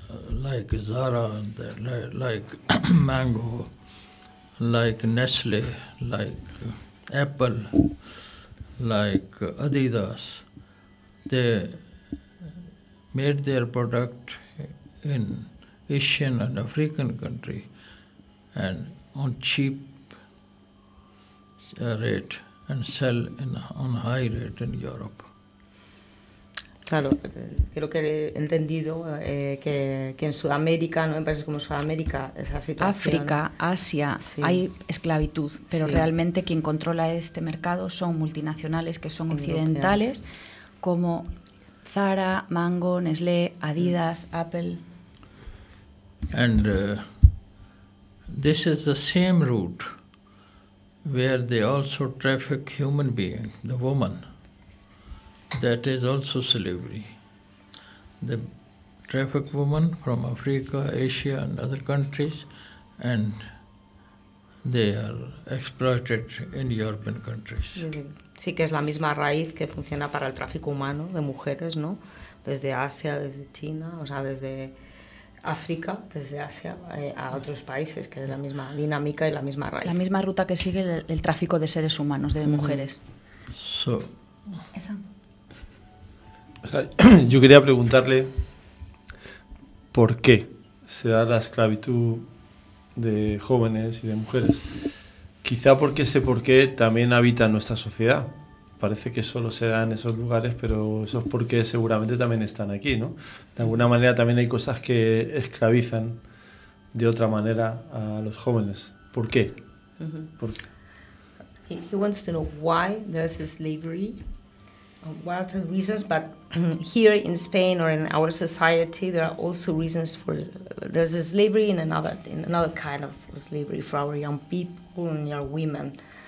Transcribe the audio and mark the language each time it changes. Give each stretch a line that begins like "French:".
English: like Zara, like Mango, like Nestle, like Apple, like Adidas, they made their product in Asian and African country and on cheap rate and sell in on high rate in Europe.
Spanish: Claro, creo que he entendido que en Sudamérica, ¿no? En países como Sudamérica, esa situación... África, Asia, sí. Hay esclavitud, pero sí. Realmente quien controla este mercado son multinacionales que son occidentales, europeas. Como Zara, Mango, Nestlé, Adidas, Apple.
English: And this is the same route where they also traffic human beings, the woman. That is also slavery. They traffic women from Africa, Asia, and other countries, and they are exploited in European countries.
Spanish: Sí, que es la misma raíz que funciona para el tráfico humano de mujeres, ¿no? Desde Asia, desde China, o sea, desde África, desde Asia a otros países, que es la misma dinámica y la misma raíz. La misma ruta que sigue el tráfico de seres humanos, de mujeres.
English: So.
Spanish: Esa. O sea, yo quería preguntarle por qué se da la esclavitud de jóvenes y de mujeres. Quizá porque ese porqué también habita en nuestra sociedad. Parece que solo se da en esos lugares, pero esos porqués seguramente también están aquí, ¿no? De alguna manera también hay cosas que esclavizan de otra manera a los jóvenes. ¿Por qué?
English: He wants to know why there is slavery. What are the reasons? But here in Spain or in our society, there are also reasons for there's a slavery in another kind of slavery for our young people and young women.